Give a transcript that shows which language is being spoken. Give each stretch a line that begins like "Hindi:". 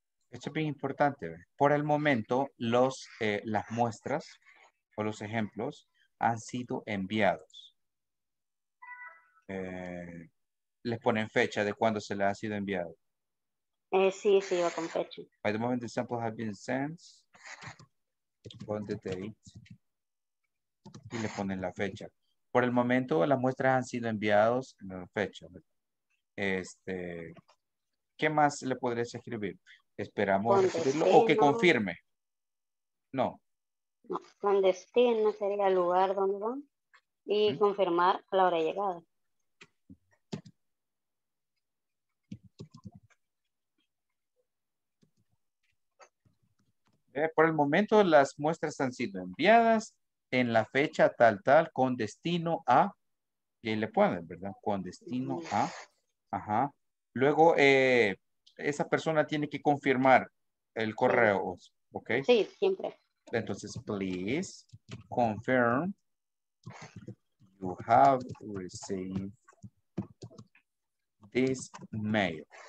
Spanish: Esto es bien importante. Por el momento, las muestras o los ejemplos han sido enviados. Les ponen fecha de cuándo se les ha sido enviado. Sí, va con fecha.
English: By the moment, the samples have been sent on the date.
Spanish: Y le ponen la fecha. Por el momento, las muestras han sido enviadas en la fecha. ¿Qué más le podrías escribir? Esperamos recibirlo o que confirme. No. No, con destino sería el lugar donde van y confirmar a la hora de llegada. Por el momento, las muestras han sido enviadas en la fecha tal, con destino a, y ahí le ponen, ¿verdad? Con destino a, ajá. Luego, esa persona tiene que confirmar el correo, ¿ok? Sí, siempre. Entonces,
English: please confirm you have received this mail.